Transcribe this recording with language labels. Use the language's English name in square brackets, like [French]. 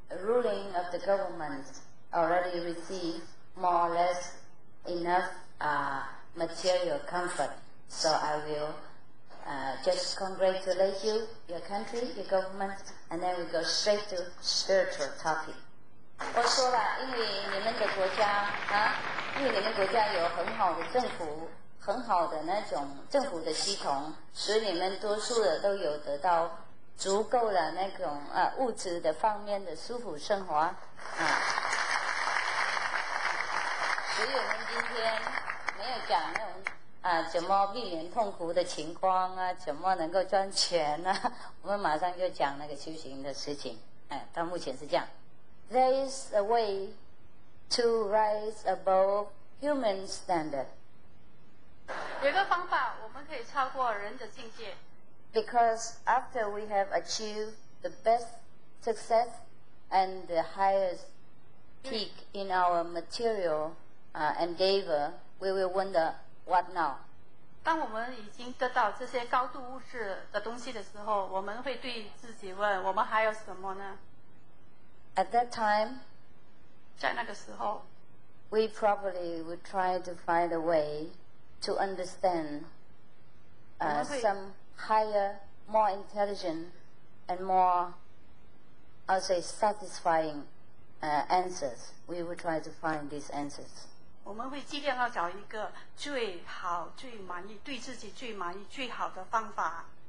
[English] ruling of the government already received more or less enough material comfort. So I will just congratulate you, your country, your government, and then we go straight to spiritual topic. [Chinese] 我说了，因为你们的国家啊，因为你们国家有很好的政府，很好的那种政府的系统，所以你们多数的都有得到足够的那种物质的方面的舒服生活啊。所以我们今天没有讲那种怎么避免痛苦的情况啊，怎么能够赚钱呢、啊？我们马上就讲那个修行的事情。哎，到目前是这样。 [English] There is a way to rise above human standard. [Chinese] 有一个方法，我们可以超过人的境界。 [English] Because after we have achieved the best success and the highest peak in our material endeavor, we will wonder what now. [Chinese] 当我们已经得到这些高度物质的东西的时候，我们会对自己问：我们还有什么呢？ [English] At that time, [Chinese] 在那个时候, [English] we probably would try to find a way to understand some higher, more intelligent, and more, I'll say, satisfying answers. We would try to find these answers. [Chinese] 我们会尽量要找一个最好、最满意、对自己最满意、最好的方法。